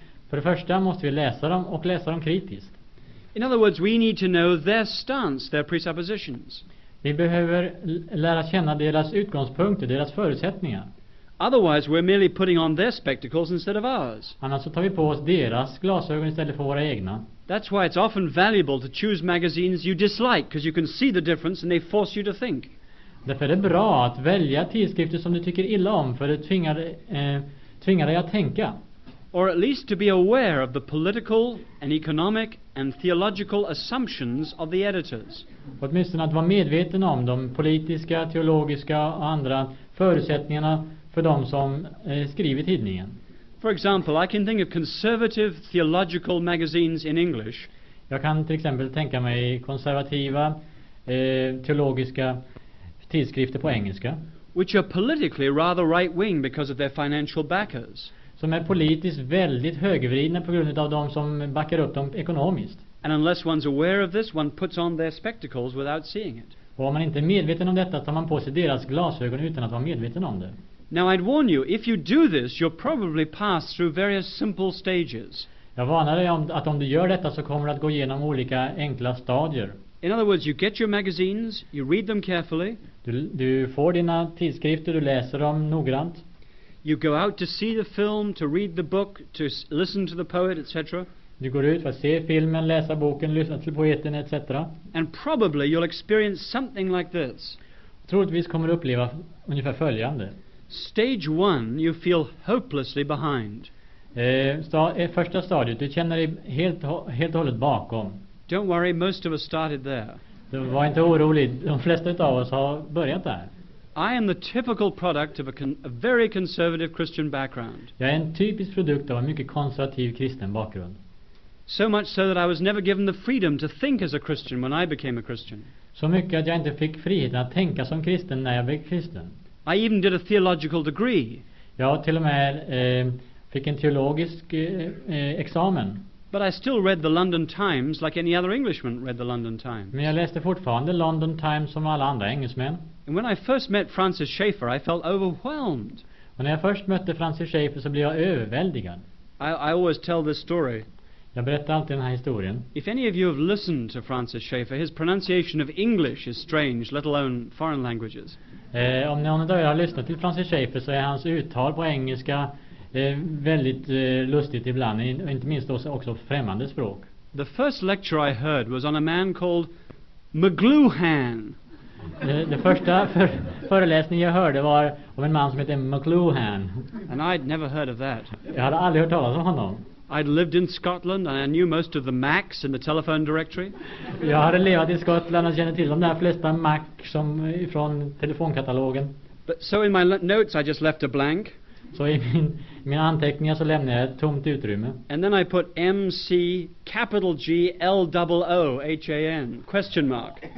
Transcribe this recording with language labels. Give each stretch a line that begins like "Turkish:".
Swedish: För det första måste vi läsa dem och läsa dem kritiskt.
English: In other words, we need to know their stance, their presuppositions.
Swedish: Vi behöver lära känna deras utgångspunkter, deras förutsättningar.
English: Otherwise, we're merely putting on their spectacles instead of ours.
Swedish: Annars så tar vi på oss deras glasögon istället för våra egna.
English: That's why it's often valuable to choose magazines you dislike, because you can see the difference and they force you to think.
Swedish: Därför är det bra att välja tidskrifter som du tycker illa om, för det tvingar dig att tänka.
English: Or at least to be aware of the political and economic and theological assumptions of the editors.
Swedish: Åtminstone att vara medveten om de politiska, teologiska och andra förutsättningarna för de som skriver tidningen.
English: For example, I can think of conservative theological magazines in English.
Swedish: Jag kan till exempel tänka mig konservativa teologiska tidskrifter på engelska.
English: Which are politically rather right-wing because of their financial backers.
Swedish: Som är politiskt väldigt högervridna på grund av de som backar upp dem ekonomiskt.
English: And unless one's aware of this, one puts on their spectacles without seeing it.
Swedish: Och om man inte är medveten om detta, tar man på sig deras glasögon utan att vara medveten om det.
English: Now I'd warn you, if you do this, you'll probably pass through various simple stages.
Swedish: Jag varnar dig att om du gör detta så kommer du att gå igenom olika enkla stadier.
English: In other words, you get your magazines, you read them carefully.
Swedish: Du får dina tidskrifter, du läser dem noggrant.
English: You go out to see the film, to read the book, to listen to the poet, etc.
Swedish: Du går ut för att se filmen, läsa boken, lyssna till poeten, etc.
English: And probably you'll experience something like this.
Swedish: Troligtvis kommer du uppleva ungefär följande.
English: Stage 1, you feel hopelessly behind.
Swedish: Första stadiet, du känner dig helt och hållet bakom.
English: Don't worry, most of us started there.
Swedish: Det var inte oroligt. De flesta av oss har börjat där.
English: I am the typical product of a very conservative Christian background.
Swedish: Jag är en typisk produkt av en mycket konservativ kristen bakgrund.
English: So much so that I was never given the freedom to think as a Christian when I became a Christian.
Swedish: Så mycket att jag inte fick friheten att tänka som kristen när jag blev kristen.
English: I even did a theological degree.
Swedish: Jag till och med fick en teologisk examen.
English: But I still read the London Times like any other Englishman read the London Times.
Swedish: Men jag läste fortfarande London Times som alla andra engelsmän.
English: And when I first met Francis Schaeffer, I felt overwhelmed.
Swedish: Och när jag först mötte Francis Schaeffer så blev jag överväldigad.
English: I always tell this story.
Swedish: Jag berättar alltid den här historien.
English: If any of you have listened to Francis Schaeffer, his pronunciation of English is strange, let alone foreign languages.
Swedish: Om någon av er har lyssnat till Francis Schaeffer så är hans uttal på engelska väldigt lustigt ibland, inte minst också främmande språk.
English: The first lecture I heard was on a man called McLuhan.
Swedish: Det första föreläsningen jag hörde var om en man som heter McLuhan.
English: And I'd never heard of that.
Swedish: Jag hade aldrig hört talas om honom.
English: I'd lived in Scotland and I knew most of the Macs in the telephone directory.
Swedish: Jag hade levt i Skottland och kände till de där flesta Mac som från telefonkatalogen.
English: But so in my notes I just left a blank.
Swedish: Så i mina anteckningar så lämnade jag ett tomt utrymme.
English: And then I put MC capital G L double O H A N question mark.